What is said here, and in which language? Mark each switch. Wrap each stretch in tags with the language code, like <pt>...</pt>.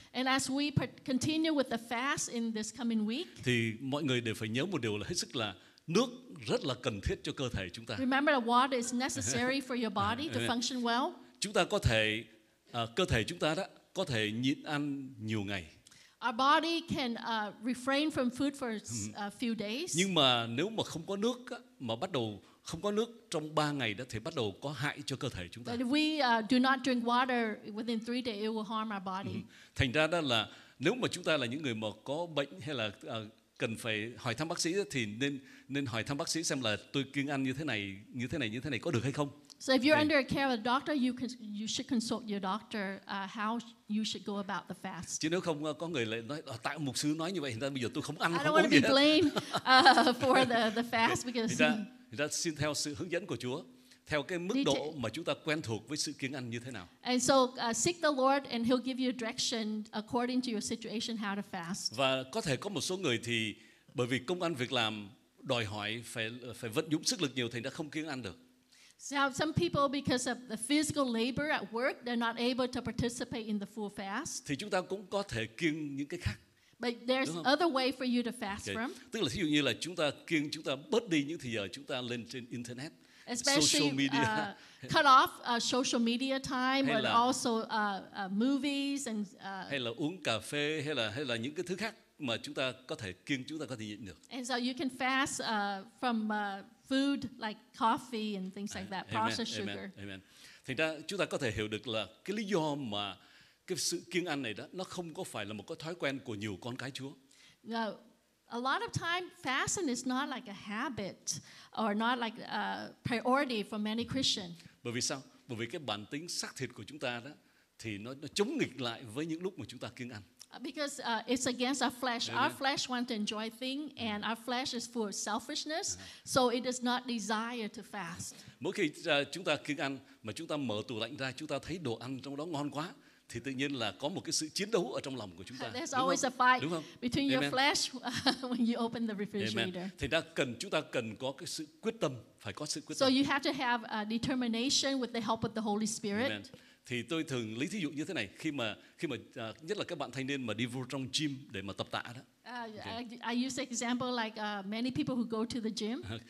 <en>And as we continue with the fast in this coming week,</en> <vi>thì mọi người đều phải nhớ một điều là hết sức là nước rất là cần thiết cho cơ thể chúng ta.</vi> <en>Remember that water is necessary for your body to function well.</en> <vi>Chúng ta có thể cơ thể chúng ta đó có thể nhịn ăn nhiều ngày.</vi> <en>Our body can refrain from food for a few days.</en> <vi>Nhưng mà nếu mà không có nước mà bắt đầu không có nước trong 3 ngày đó thì bắt đầu có hại cho cơ thể chúng ta.</vi> <en>But if we do not drink water within 3 days, it will harm our body.</en> <vi>Thành ra đó là nếu mà chúng ta là những người mà có bệnh hay là cần phải hỏi thăm bác sĩ thì nên hỏi thăm bác sĩ xem là tôi kiêng ăn như thế này có được hay không.</vi> <en>So if you're under a care of a doctor, you should consult your doctor how you should go about the fast.</en> <vi>Chứ nếu không có người lại nói tại mục sư nói như vậy, hiện tại bây giờ tôi không ăn không uống gì.</vi> <en>I don't want to be blamed for the fast because.</en> <vi>Thì ra xin theo sự hướng dẫn của Chúa, theo cái mức độ mà chúng ta quen thuộc với sự kiêng ăn như thế nào.</vi> <en>And so seek the Lord and He'll give you direction according to your situation how to fast.</en> <vi>Và có thể có một số người thì bởi vì công ăn việc làm đòi hỏi phải vận dụng sức lực nhiều thành ra không kiêng ăn được.</vi> <en>So some people because of the physical labor at work, they're not able to participate in the full fast.</en> <vi>Thì chúng ta cũng có thể kiêng những cái khác.</vi> <en>But there's other way for you to fast from.</en> <vi>Tức là ví dụ như là chúng ta kiêng, chúng ta bớt đi những thời giờ chúng ta lên trên internet,</vi> <en>especially, social media, cut off social media time, and also movies and.</en> <vi>Hay là uống cà phê, hay là những cái thứ khác mà chúng ta có thể kiêng, chúng ta có thể nhịn được.</vi> <en>And so you can fast from. Food like coffee and things like that, processed amen, sugar.</en> <vi>Thành ra chúng ta có thể hiểu được là cái lý do mà cái sự kiêng ăn này đó nó không có phải là một cái thói quen của nhiều con cái Chúa.</vi> <en>Now, a lot of time fasting is not like a habit or not like a priority for many Christians.</en> <vi>Bởi vì sao? Bởi vì cái bản tính xác thịt của chúng ta đó thì nó chống nghịch lại với những lúc mà chúng ta kiêng ăn.</vi> <en>Because it's against our flesh. Amen. Our flesh wants to enjoy things, and our flesh is full of selfishness, so it does not desire to fast.</en> <vi>Mỗi khi chúng ta kiêng ăn, mà chúng ta mở tủ lạnh ra, chúng ta thấy đồ ăn trong đó ngon quá, thì tự nhiên là có một cái sự chiến đấu ở trong lòng của chúng ta.</vi> <en>There's always a fight between your flesh when you open the refrigerator. Amen.</en> <vi>Thì chúng ta cần có cái sự quyết tâm, phải có sự quyết tâm.</vi> <en>So you have to have a determination with the help of the Holy Spirit. Amen.</en> <vi>Thì tôi thường lấy thí dụ như thế này, khi mà nhất là các bạn thanh niên mà đi vô trong gym để mà tập tạ đó.</vi> <en>I use example like many people who go to the gym.</en>